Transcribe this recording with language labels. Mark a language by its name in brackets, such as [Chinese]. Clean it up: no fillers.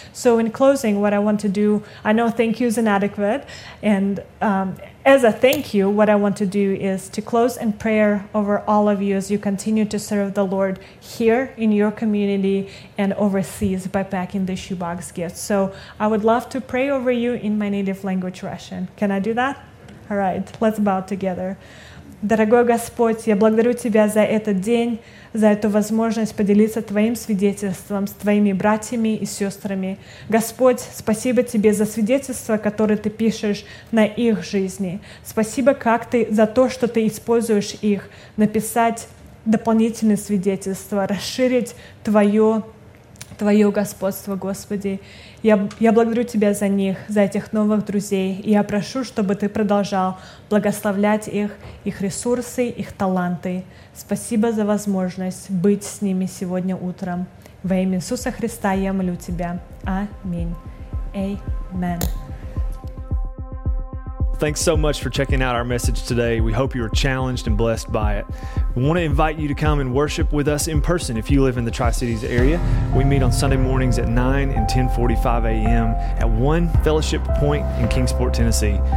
[English] So in closing, what I want to do, I know thank you is inadequate, and as a thank you, what I want to do is to close in prayer over all of you as you continue to serve the Lord here in your community and overseas by packing the shoebox gifts. So I would love to pray over you in my native language, Russian. Can I do that? All right, let's bow together. [Russian] Дорогой Господь, я благодарю Тебя за этот день, за эту возможность поделиться Твоим свидетельством с Твоими братьями и сестрами. Господь, спасибо Тебе за свидетельство, которое Ты пишешь на их жизни. Спасибо, как Ты, за то, что Ты используешь их, написать дополнительные свидетельства, расширить Твое господство, Господи. Я благодарю Тебя за них, за этих новых друзей. И я прошу, чтобы Ты продолжал благословлять их, их ресурсы, их таланты. Спасибо за возможность быть с ними сегодня утром. Во имя Иисуса Христа я молю Тебя. Аминь. Amen. [English] Thanks so much for checking out our message today. We hope you are challenged and blessed by it. We want to invite you to come and worship with us in person if you live in the Tri-Cities area. We meet on Sunday mornings at 9 and 10:45 a.m. at One Fellowship Point in Kingsport, Tennessee.